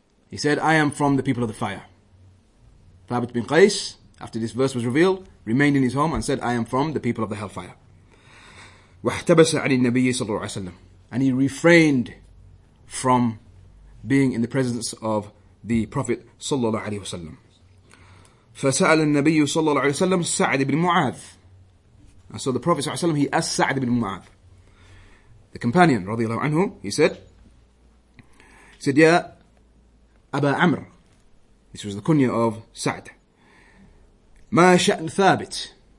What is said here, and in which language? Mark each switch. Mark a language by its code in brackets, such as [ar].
[en] He said, I am from the people of the fire. Thabit bin Qais, after this verse was revealed, remained in his home and said, I am from the people of the hellfire. [ar] واحتبس عن النبي صلى الله عليه وسلم. [en] And he refrained from being in the presence of the Prophet صلى الله عليه وسلم. [ar] فسأل النبي صلى الله عليه وسلم سعد بن معاذ. [en] And so the Prophet ﷺ, he asked Sa'd ibn Mu'adh, the companion, radiallahu anhu, he said, Ya Aba Amr, this was the kunya of Sa'd, Ma Sha'n Thabit,